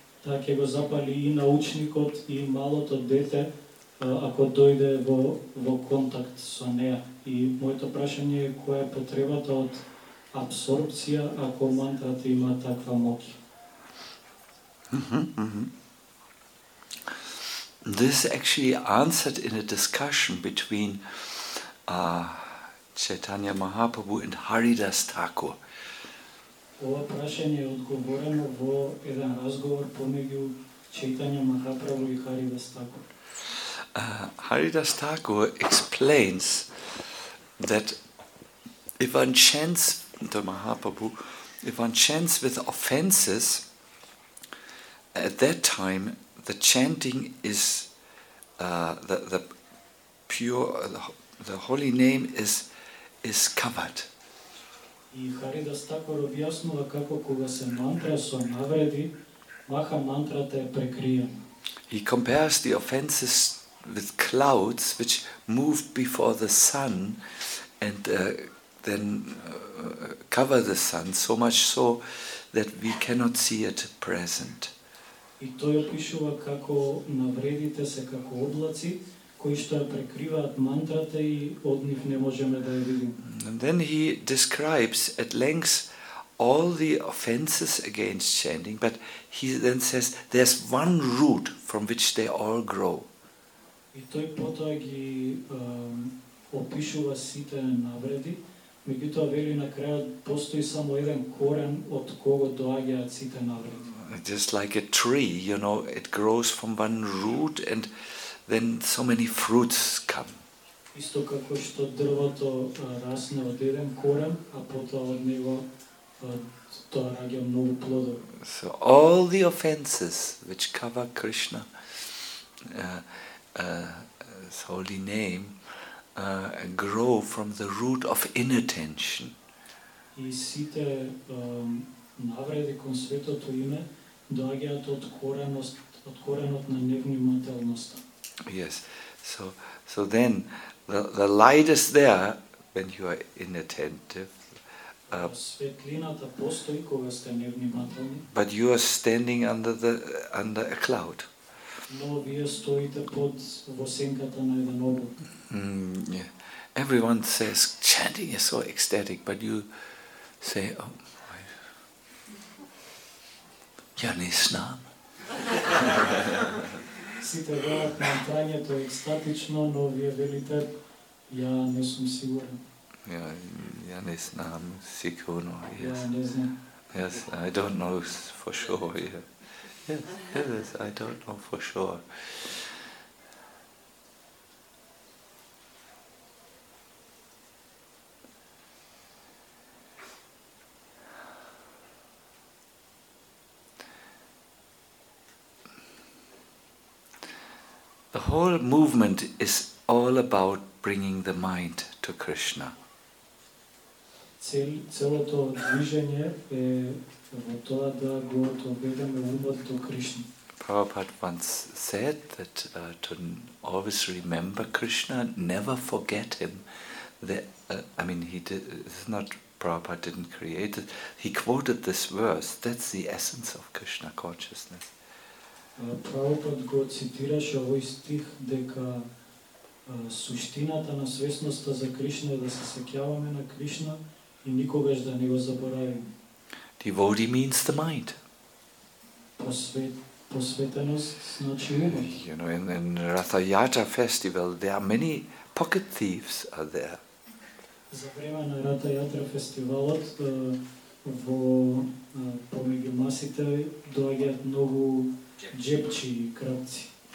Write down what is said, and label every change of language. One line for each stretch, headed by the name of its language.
Macedonian: Така ќе го запали и научникот и малото дете ако дојде во контакт со неа. И моето прашање е која е потребата од абсорбција ако мантрата има таква моќ.
English: This actually answered in a discussion between Chaitanya Mahaprabhu and Haridas Thakur.
Macedonian: Ова прашање е одговорено во еден разговор помеѓу
English: Chaitanya Mahaprabhu and Haridas Thakur. Haridas Thakur explains that if one chants to Mahaprabhu, if one chants with offenses, at that time the chanting is the holy name is covered.
Macedonian: И Харидас Такур објаснува како кога се мантра со навреди, маха мантрата е прекриена.
English: He compares the offenses with clouds which move before the sun and then cover the sun so much so that we cannot see it present.
Macedonian: И тој опишува како навредите се како облаци кои што ја прекриваат мантрата и од нив не можеме да ја видиме.
English: And then he describes at length all the offenses against chanting, but he then says there's one root from which they all grow.
Macedonian: И тој потоа ги опишува сите навреди, меѓутоа вели на крајот постои само еден корен од кого доаѓаат сите навреди.
English: Just like a tree, you know, it grows from one root and then so many fruits come.
Macedonian: Исто како што дрвото расне од еден корен, а потоа од него тоа раѓа многу плодови.
English: So all the offenses which cover Krishna, his holy name, grow from the root of inattention.
Macedonian: И сите навреди кон светото име доаѓаат од коренот на невнимателноста.
English: Yes. So then the light is there when you are inattentive.
Macedonian: Светлината постои кога сте невнимателни.
English: But you are standing under a cloud.
Macedonian: Но вие стоите под во сенката на еден облак.
English: Yeah. Everyone says chanting is so ecstatic, but you say, oh,
Macedonian: ја не знам. Сите велат мантрањето е екстатично, но вие велите ја не сум сигурен. Ја не знам сигурно. Ја не знам.
English: Yes, I don't know for sure. Yes, I don't know for sure. The whole movement is all about bringing the mind to Krishna.
Macedonian: Целото движење е во тоа да го доведеме умот до Кришна.
English: Prabhupada once said that to always remember Krishna, never forget him. Prabhupada didn't create it. He quoted this verse. That's the essence of Krishna consciousness.
Macedonian: Prabhupada го цитираше овој стих дека суштината на свесноста за Кришна е да се сеќаваме на Кришна и никогаш да не го заборавиме.
English: Devotee means the mind.
Macedonian: Посветеност значи умот.
English: You know, in Ratha Yatra festival there are many pocket thieves are there.
Macedonian: За време на Ратха Јатра фестивалот во помеѓу масите доаѓаат многу джепчи и крадци.